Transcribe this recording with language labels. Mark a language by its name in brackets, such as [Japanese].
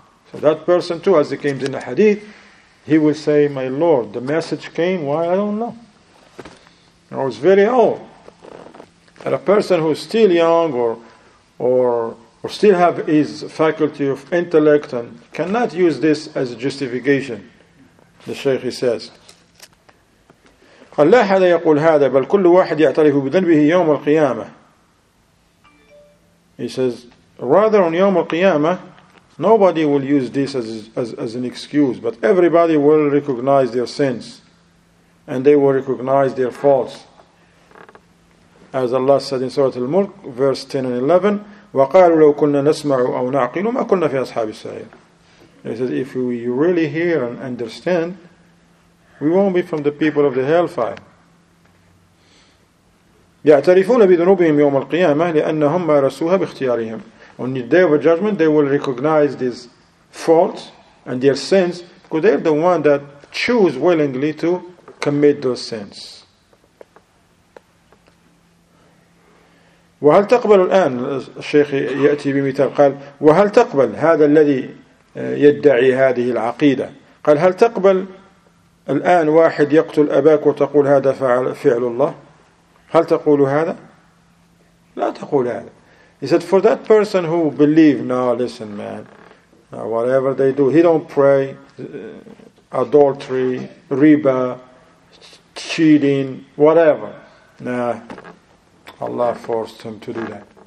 [English] So that person too, as it came in the hadith, he will say, my Lord, the message came, why? I don't know. And I was very old. And a person who is still young or still have his faculty of intellect and cannot use this as a justification, the Shaykh says. Allah had [Arabic] يقول هذا بل كل واحد يعترف بذنبه يوم القيامة. [English] He says, rather on [Arabic] يوم القيامة, [English] nobody will use this as an excuse, but everybody will recognize their sins and they will recognize their faults. As Allah said in Surah Al-Mulk, verse 10 and 11, [Arabic] وَقَالُوا لَوْ كُنَّا نَسْمَعُ أَوْ نَعْقِلُ مَا كُنَّا فِي أَصْحَابِ السَّعِيرِ. [English] He says, if we really hear and understand, we won't be from the people of the hellfire. [Arabic] يَعْتَرِفُونَ بِذُنُوبِهِمْ يَوْمَ الْقِيَامَةِ لِأَنَّهُمْ مَارَسُوهَا بِاخْتِيَارِهِمْ. [English] On the day of judgment, they will recognize these faults and their sins, because they're the one that choose willingly to commit those sins. [Arabic] وهل تقبل الآن الشيخ يأتي بمثال قال وهل تقبل هذا الذي يدعي هذه العقيدة قال هل تقبل الآن واحد يقتل أباك وتقول هذا فعل الله هل تقول هذا لا تقول هذا. [English] He said, for that person who believe, no, listen man, whatever they do, he don't pray, adultery, riba, cheating, whatever, nah, Allah forced him to do that.